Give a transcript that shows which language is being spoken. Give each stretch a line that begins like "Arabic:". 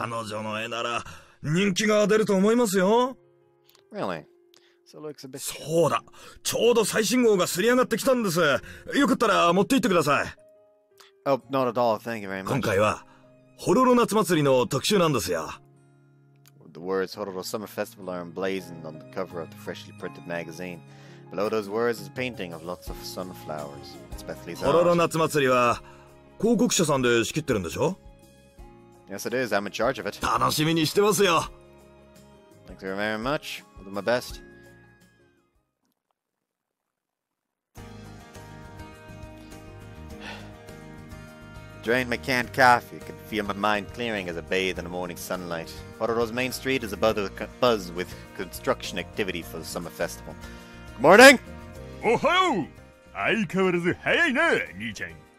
Japanese: 彼女の絵なら人気が出ると思いますよ。
English: Really? Solo exhibition.
Japanese: そうだ。ちょうど最新号がすり上がってきたんです。よかったら持って行ってください。
English: Oh, not at all. Thank you very much.
Japanese: 今回はホロロ夏祭りの特集なんですよ。
English: The words Hororo Summer Festival are emblazoned on the cover of the freshly printed magazine. Below those words is a painting of lots of sunflowers. It's Bethly's
Japanese: art. ホロロ夏祭りは広告者さんで仕切ってるんでしょ？
English: Yes, it is. I'm in charge of it.
Japanese: 楽しみにしてますよ。
English: Thank you very much. I'll do my best. Drained my canned coffee, I can feel my mind clearing as I bathe in the morning sunlight. Hororo's main street is buzz with construction activity for the summer festival. Good morning!
Japanese: Ohayou! 相変わらず早いな、兄ちゃん。